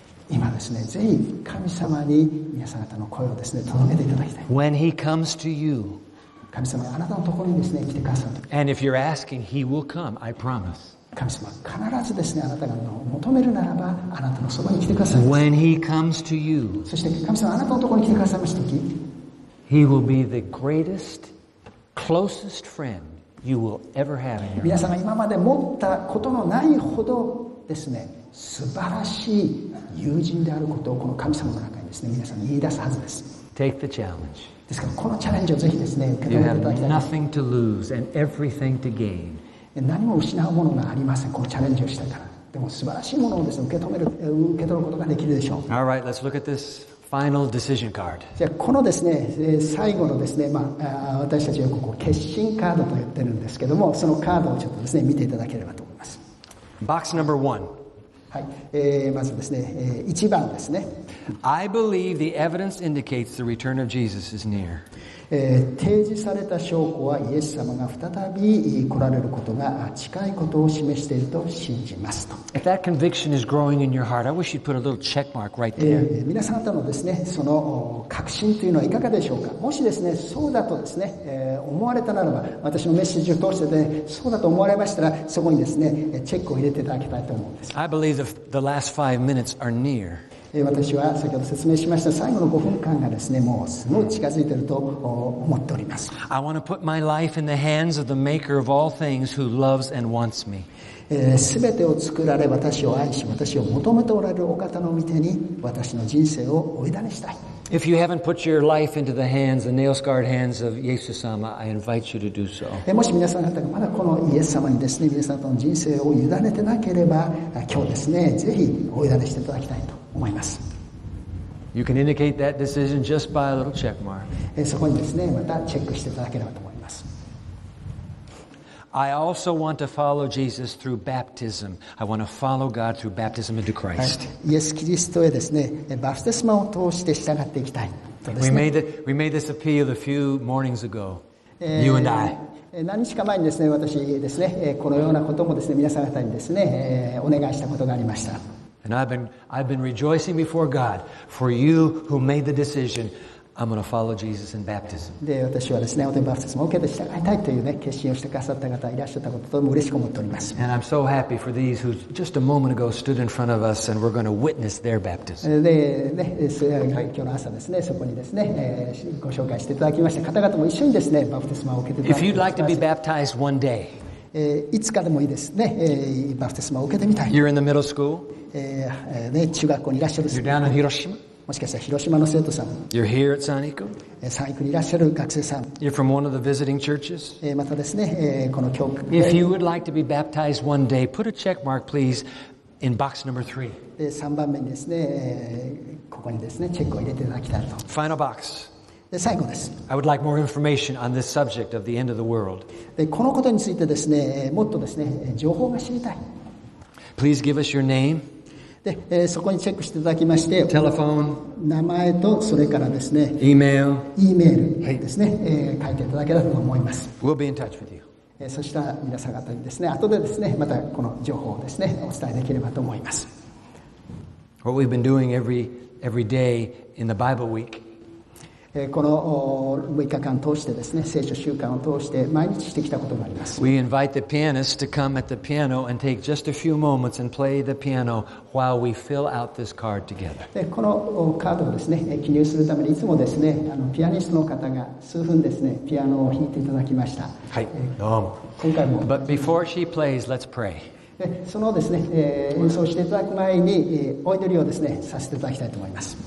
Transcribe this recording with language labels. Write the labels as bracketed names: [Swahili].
[Japanese] 今ですね、ぜひ神様に皆さん方の声をですね、届けていただきたい。 [English] When he comes to you, [Japanese] 神様があなたのところにですね、来てくださると。 [English] And if you're asking, he will come, I promise. [Japanese] 神様必ずですね、あなたが求めるならば、あなたのそばに来てください。 [English] When he comes to you, [Japanese] そして神様あなたのところに来てくださいましたとき、 [English] He will be the greatest, closest friend you will ever have in your life. [Japanese] 皆様今まで持ったことのないほどですね、素晴らしい友人であることをこの神様の中にですね、皆さん言い出すはずです。 [English] Take the challenge. [Japanese] ですからこのチャレンジをぜひですね、受け止めていただきたい。 [English] You have nothing to lose and everything to gain. [Japanese] 何も失うものがありません。このチャレンジをしたから。でも素晴らしいものをですね、受け取ることができるでしょう。 [English] All right, let's look at this final decision card. [Japanese] じゃあこのですね、最後のですね、まあ、私たちはここ決心カードと言ってるんですけども、そのカードをちょっとですね、見ていただければと思います。 [English] Box number one. [Japanese] はい、まずですね、1番ですね。 [English] I believe the evidence indicates the return of Jesus is near. [Japanese] 提示された証拠はイエス様が再び来られることが近いことを示していると信じますと。 [English] If that conviction is growing in your heart, I wish you'd put a little check mark right there. [Japanese] 皆さん方のですね、その確信というのはいかがでしょうか。もしですね、そうだとですね、思われたならば、私のメッセージを通してで、ね、そうだと思われましたら、そこにですね、チェックを入れていただきたいと思うんです。 [English] I believe the last five minutes are near. [Japanese] 私は先ほど説明しました最後の5分間がですね、もうすごい近づいていると思っております。 [English] I want to put my life in the hands of the maker of all things who loves and wants me. [Japanese] 全てを作られ私を愛し私を求めておられるお方の御手に私の人生をお委ねしたい。 [English] If you haven't put your life into the hands, the nail-scarred hands of Yesu-sama, I invite you to do so. [Japanese] もし皆さん方がまだこのイエス様にですね、皆さんの人生を委ねてなければ今日ですね、ぜひお委ねしていただきたいと。 [English] You can indicate that decision just by a little check mark. [Japanese] そこにですね、またチェックしていただければと思います。 [English] I also want to follow Jesus through baptism. I want to follow God through baptism into Christ. [Japanese] イエス・キリストへですね、バプテスマを通して従っていきたい。 [English] We made this appeal a few mornings ago. You and I. [Japanese] 何日か前にですね、私ですね、このようなこともですね、皆さん方にですね、お願いしたことがありました。 [English] And I've been rejoicing before God for you who made the decision. I'm going to follow Jesus in baptism. [Japanese] で、私はですね、本当にバプテスマを受けて従いたいというね、決心をしてくださった方がいらっしゃったこととても嬉しく思っております。 [English] And I'm so happy for these who just a moment ago stood in front of us and we're going to witness their baptism. [Japanese] で、ね、今日の朝ですね、そこにですね、ご紹介していただきました方々も一緒にですね、バプテスマを受けて。 [English] If you'd like to be baptized one day, [Japanese] いつかでもいいですね、バプテスマを受けてみたい。 [English] You're in the middle school. [Japanese] ね、中学校にいらっしゃる。 [English] You're down in Hiroshima? [Japanese] もしかしたら広島の生徒さん。 [English] You're here at Sanico? [Japanese] 三育にいらっしゃる学生さん。 [English] You're from one of the visiting churches? [Japanese] またですね、この教区で。 [English] If you would like to be baptized one day, put a check mark, please, in box number three. [Japanese] 3番目にですね、ここにですね、チェックを入れていただきたいと。 [English] Final box. [Japanese] で最後です。 [English] I would like more information on this subject of the end of the world. [Japanese] でこのことについてですね、もっとですね、情報が知りたい。 [English] Please give us your name. [Japanese] でそこにチェックしていただきまして、 [English] Telephone、 [Japanese] 名前とそれからですね、 [English] email、 [Japanese] e メールですね、はい、書いていただければと思います。 [English] We'll be in touch with you。 [Japanese] そしたら皆さん方にですね、後でですね、またこの情報をですね、お伝えできればと思います。 [English] What we've been doing every day in the Bible week。 [Japanese] この6日間通してですね、聖書週間を通して毎日してきたこともあります。 [English] We invite the pianist to come at the piano and take just a few moments and play the piano while we fill out this card together. [Japanese] でこのカードをですね、記入するためにいつもですね、ピアニストの方が数分ですね、ピアノを弾いていただきました。はい、どうも。今回も。 [English] But before she plays, let's pray. [Japanese] でそのですね、演奏していただく前に、お祈りをですね、させていただきたいと思います。